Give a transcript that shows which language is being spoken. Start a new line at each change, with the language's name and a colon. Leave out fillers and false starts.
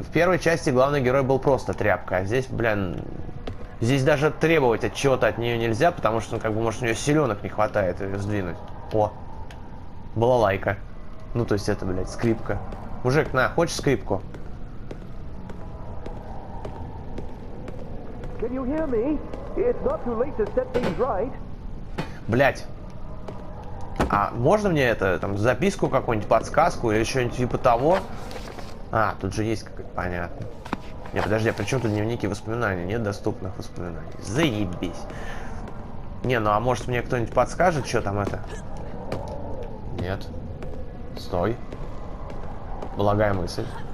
Russian: В первой части главный герой был просто тряпка. А здесь, блядь... Здесь даже требовать отчета от нее нельзя, потому что, ну, как бы, может, у нее силенок не хватает ее сдвинуть. О! Балалайка. Ну, то есть это, блядь, скрипка. Мужик, на, хочешь скрипку?
English: Can you hear me? It's not too late to set things right.
Russian: Блядь. А можно мне это, там, записку какую-нибудь, подсказку или что-нибудь типа того? А, тут же есть какая-то, понятно. Не, подожди, а при чем тут дневники воспоминаний? Нет доступных воспоминаний. Заебись. Не, ну а может мне кто-нибудь подскажет, что там это? Нет. Стой. Благая мысль.